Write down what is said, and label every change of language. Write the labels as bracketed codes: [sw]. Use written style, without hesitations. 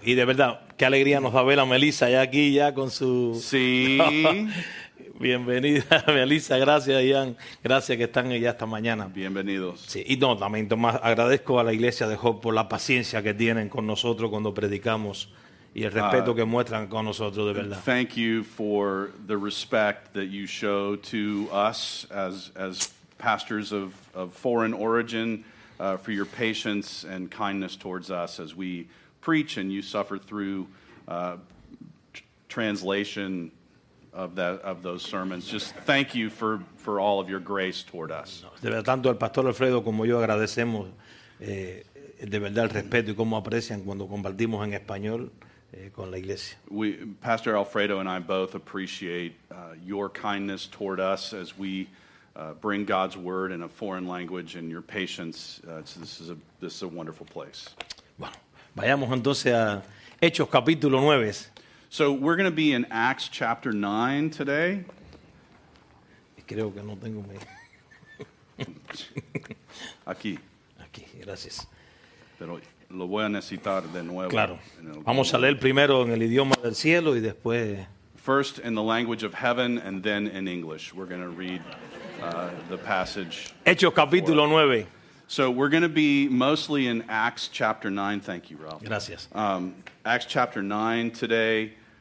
[es] Y de verdad, qué alegría nos da ver a Melissa ya aquí, ya con su... Sí. Bienvenida, Melissa. Gracias, Ian. Gracias que están allá esta mañana. Bienvenidos. Sí. Y no, también, Tomás, agradezco a la iglesia de Hope por la paciencia que tienen con nosotros cuando predicamos. Y el respeto que muestran con nosotros, de verdad. [en] Thank you for the respect that you show to us as pastors of foreign origin, for your patience and kindness towards us as we preach and you suffer through translation of those sermons. Just thank you for all of your grace toward us. [es] De verdad, tanto el pastor Alfredo como yo agradecemos de verdad el respeto y cómo aprecian cuando compartimos en español. Con la iglesia. [en] We, Pastor Alfredo and I both appreciate your kindness toward us as we bring God's word in a foreign language and your patience. This is a wonderful place. [es] Bueno, vayamos entonces a Hechos capítulo 9. [en] So we're going to be in Acts chapter 9 today. Creo que no tengo mi... Aquí. Aquí, gracias. Pero lo voy a necesitar de nuevo. Claro. [es] Vamos a leer primero en el idioma del cielo y después... [en] First in the language of heaven and then in English. We're going to read the passage. [es] Hechos capítulo 9. [en] So we're going to be mostly in Acts chapter 9. Thank you, Ralph. [es] Gracias. [en] Acts chapter 9 today.